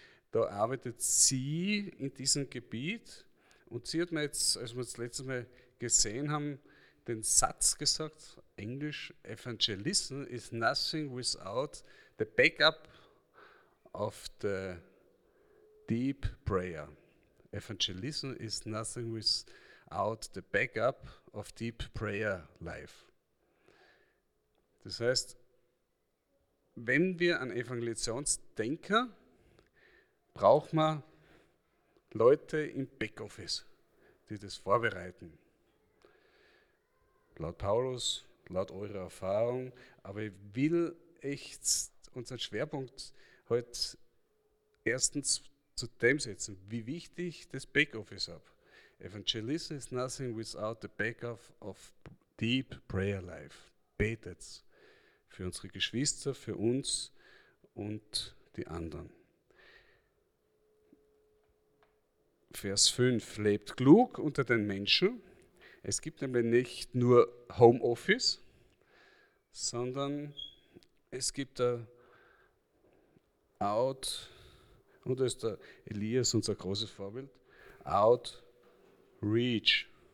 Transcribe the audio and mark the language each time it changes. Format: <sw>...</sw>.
<de>Da arbeitet sie in diesem Gebiet. Und sie hat mir jetzt, als wir das letzte Mal gesehen haben, den Satz gesagt, Englisch,</de> <en>Evangelism is nothing without the backup of the deep prayer. Evangelism is nothing without the backup of deep prayer life.</en> <de>Das heißt, wenn wir einen Evangelisationsdenker, braucht man Leute im Backoffice, die das vorbereiten. Laut Paulus, laut eurer Erfahrung, aber ich will echt unseren Schwerpunkt heute erstens zu dem setzen, wie wichtig das Backoffice ist.</de> <en>Evangelism is nothing without the backup of deep prayer life.</en> <de>Betet für unsere Geschwister, für uns und die anderen. Vers 5, lebt klug unter den Menschen. Es gibt nämlich nicht nur Homeoffice, sondern es gibt da Out, und da ist der Elias unser großes Vorbild, Outreach.</de>